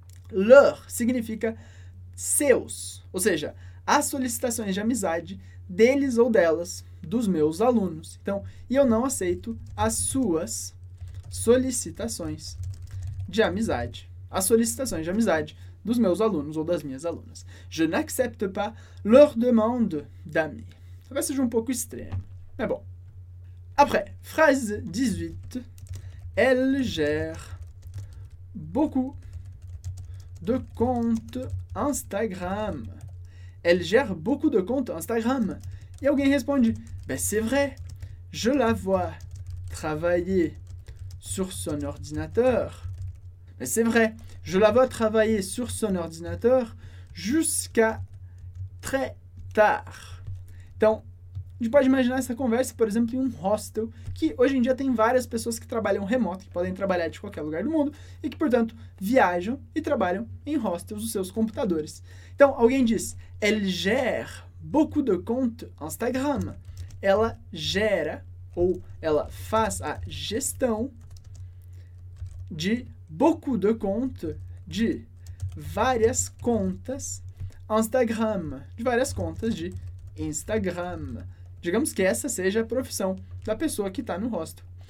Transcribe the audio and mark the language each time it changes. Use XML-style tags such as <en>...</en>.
<pt>Leur significa seus. Ou seja, as solicitações de amizade deles ou delas, dos meus alunos. Então, e eu não aceito as suas solicitações de amizade. As solicitações de amizade dos meus alunos ou das minhas alunas.</pt> <fr>Je n'accepte pas leur demande d'amis.</fr> <pt>Talvez seja um pouco estranho, mas bon.</pt> <fr>Après, phrase 18. Elle gère beaucoup de comptes Instagram. Elle gère beaucoup de comptes Instagram.</fr> <pt>E alguém responde,</pt> <fr>ben c'est vrai, je la vois travailler sur son ordinateur. Ben c'est vrai, je la vois travailler sur son ordinateur jusqu'à très tard.</fr> <pt>Então, a gente pode imaginar essa conversa, por exemplo, em um hostel, que hoje em dia tem várias pessoas que trabalham remoto, que podem trabalhar de qualquer lugar do mundo, e que, portanto, viajam e trabalham em hostels os seus computadores. Então, alguém diz,</pt> <fr>elle gère beaucoup de comptes Instagram.</fr> <pt>Ela gera ou ela faz a gestão de</pt> <fr>beaucoup de comptes,</fr> <pt>de várias contas Instagram, de várias contas de Instagram. Digamos que essa seja a profissão da pessoa que está no hostel.</pt>